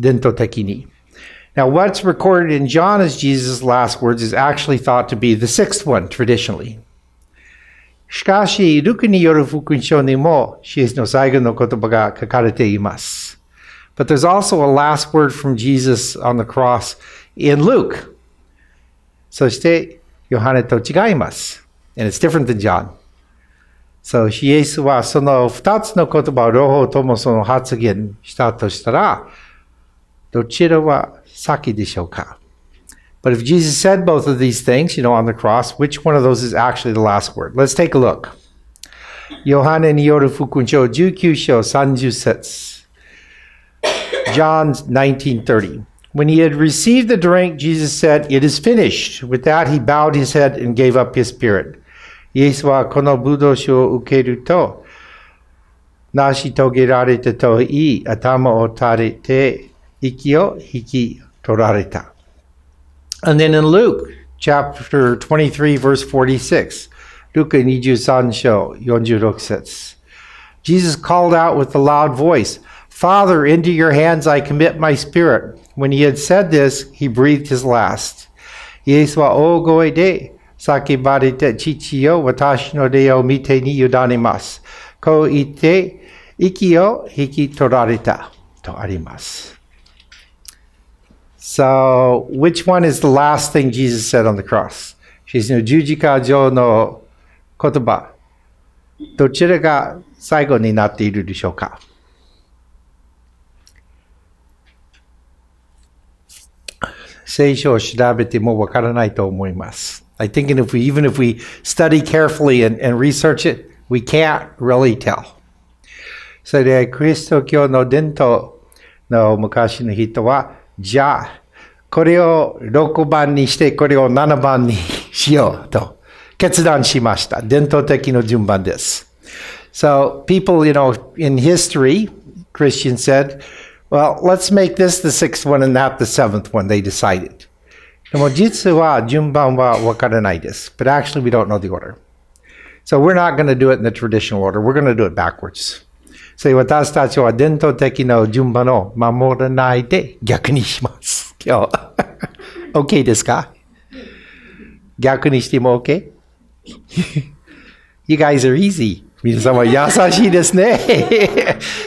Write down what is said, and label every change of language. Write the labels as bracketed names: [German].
[Japanese] 伝統的に。 [English] Now, what's recorded in John as Jesus' last words is actually thought to be the sixth one, traditionally. [Japanese] しかし、ルカによる福音書にも、イエスの最後の言葉が書かれています。 [English] But there's also a last word from Jesus on the cross in Luke. [Japanese] そして、ヨハネと違います。 [English] And it's different than John. [Japanese] So, イエスはその二つの言葉を両方ともその発言したとしたら、どちらは先でしょうか? [English] But if Jesus said both of these things, you know, on the cross, which one of those is actually the last word? Let's take a look. [Japanese] ヨハネによる福音書19章30節 [English] John 19:30 When he had received the drink, Jesus said, It is finished. With that, he bowed his head and gave up his spirit. [Japanese] イエスはこの葡萄酒を受けると成し遂げられたと言い、頭を垂れて息を引き取られた。 [English] And then in Luke chapter 23 verse 46, [Japanese] Luke 23章46節 [English] Jesus called out with a loud voice, Father, into your hands I commit my spirit. When he had said this, he breathed his last. [Japanese] イエスは大声で叫ばれた、父よ、私の霊を御手にゆだねます。こう言って息を引き取られたとあります。 [English] So, which one is the last thing Jesus said on the cross? [Japanese] イエスの十字架上の言葉、どちらが最後になっているでしょうか? [English] I think if we study carefully and research it, we can't really tell. [Japanese] それでキリスト教の伝統の昔の人は、じゃあ、これを6番にして、これを7番にしようと決断しました。伝統的な順番です。 [English] So, people, you know, in history, Christian said, well, let's make this the sixth one and that the seventh one, they decided. [Japanese] でも実は順番は分からないです。 [English] But actually, we don't know the order. So, we're not going to do it in the traditional order. We're going to do it backwards. [Japanese] So, 私たちは伝統的な順番を守らないで逆にします。 OK ですか?逆にしても OK? [English] You guys are easy. [Japanese] 皆さんは優しいですね。